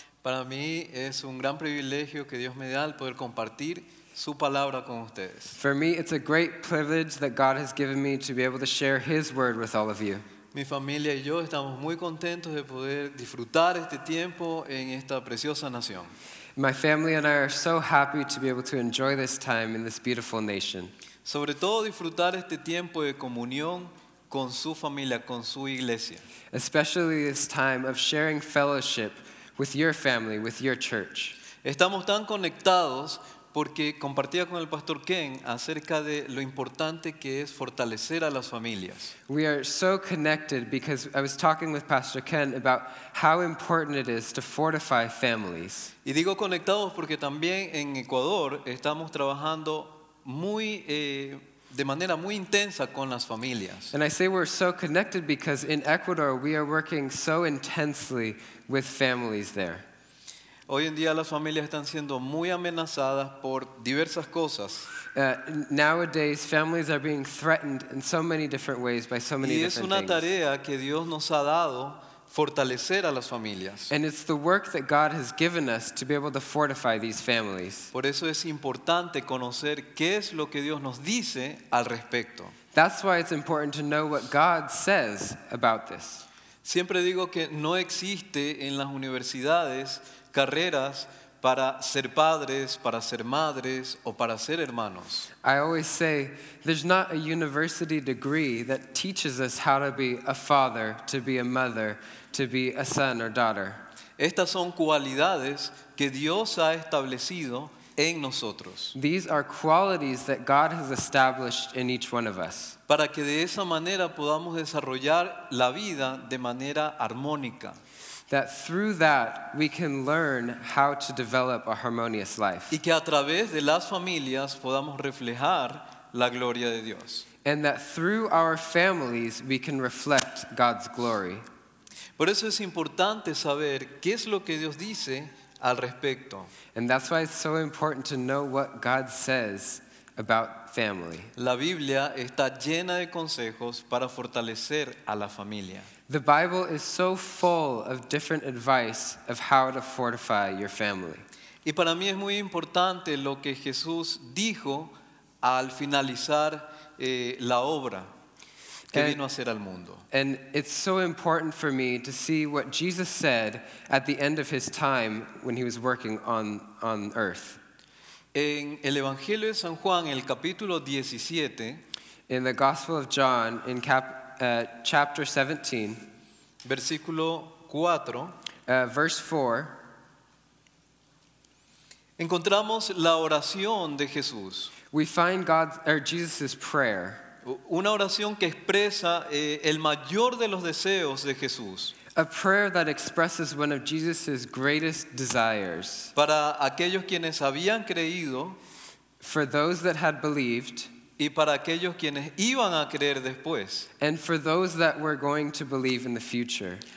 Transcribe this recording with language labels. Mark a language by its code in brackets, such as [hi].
[es] Para mí es un gran privilegio que Dios me da al poder compartir su palabra con ustedes. [en] For me, it's a great privilege that God has given me to be able to share His word with all of you. [es] Mi familia y yo estamos muy contentos de poder disfrutar este tiempo en esta preciosa nación. [en] My family and I are so happy to be able to enjoy this time in this beautiful nation. [es] Sobre todo disfrutar este tiempo de comunión con su familia, con su iglesia. [en] Especially this time of sharing fellowship with your family, with your church. [es] Estamos tan conectados porque compartía con el pastor Ken acerca de lo importante que es fortalecer a las familias. [en] We are so connected because I was talking with Pastor Ken about how important it is to fortify families. [es] Y digo conectados porque también en Ecuador estamos trabajando muy de manera muy intensa con las familias. [en] And I say we're so connected because in Ecuador we are working so intensely with families there. [es] Hoy en día las familias están siendo muy amenazadas por diversas cosas. [en] Nowadays families are being threatened in so many different ways by so many different things. [es] Y es una tarea que Dios nos ha dado fortalecer a las familias. [en] And it's the work that God has given us to be able to fortify these families. [es] Por eso es importante conocer qué es lo que Dios nos dice al respecto. [en] That's why it's important to know what God says about this. [es] Siempre digo que no existe en las universidades carreras para ser padres, para ser madres o para ser hermanos. [en] I always say there's not a university degree that teaches us how to be a father, to be a mother, to be a son or daughter. [es] Estas son cualidades que Dios ha establecido en nosotros. [en] These are qualities that God has established in each one of us. [es] Para que de esa manera podamos desarrollar la vida de manera armónica. [en] That through that we can learn how to develop a harmonious life. [es] Y que a través de las familias podamos reflejar la gloria de Dios. [en] And that through our families we can reflect God's glory. [es] Por eso es importante saber qué es lo que Dios dice al respecto. [en] And that's why it's so important to know what God says about family. [es] La Biblia está llena de consejos para fortalecer a la familia. [en] The Bible is so full of different advice of how to fortify your family. [es] Y para mí es muy importante lo que Jesús dijo al finalizar la obra que vino a hacer al mundo. [en] And it's so important for me to see what Jesus said at the end of his time when he was working on earth. [es] En el Evangelio de San Juan, el capítulo 17, [en] in the Gospel of John, in chapter 17, [es] versículo 4, [en] verse 4, [es] encontramos la oración de Jesús. [en] We find God's, or Jesus's prayer. [es] Una oración que expresa el mayor de los deseos de Jesús. [en] A prayer that expresses one of Jesus's greatest desires. [es] Para aquellos quienes habían creído, [en] for those that had believed, [es] y para aquellos quienes iban a creer después, [en] and for those that were going to believe in the future.